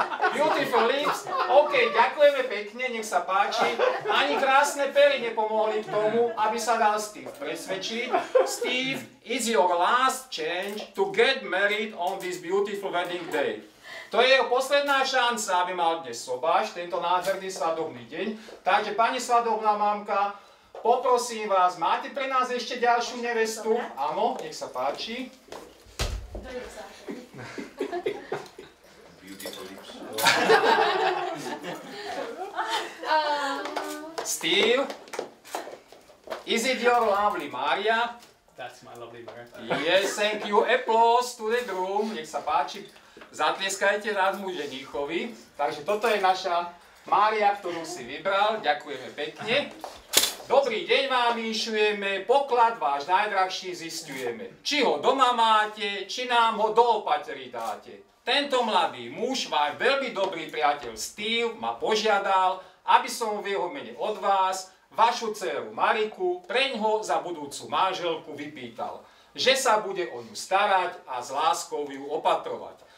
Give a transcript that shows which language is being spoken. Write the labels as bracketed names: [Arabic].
[English] Beautiful lips. [Slovak] OK, ďakujeme pekne, nech sa páči. Ani krásne pery nepomohli k tomu, aby sa dal Steve presvedčiť. [English] Steve, it's your last chance to get married on this beautiful wedding day. [Slovak] To je jeho posledná šanca, aby mal dnes sobáš, tento nádherný svadobný deň. Takže, pani svadobná mamka, poprosím vás, máte pre nás ešte ďalšiu nevestu? Áno, nech sa páči. [English] Beautiful lips. Steve, is it your lovely Maria? That's my lovely Maria. Yes, thank you. Applause to the groom. [Slovak] Nech sa páči. Zatlieskajte rád mu ženíchovi. Takže toto je naša Mária, ktorú si vybral. Ďakujeme pekne. Dobrý deň vám inšujeme, poklad váš najdrahší zisťujeme. Či ho doma máte, či nám ho do opatery dáte. Tento mladý muž, váš veľmi dobrý priateľ Steve, ma požiadal, aby som v jeho mene od vás vašu dceru Mariku preňho za budúcu manželku vypýtal, že sa bude o ňu starať a s láskou ju opatrovať.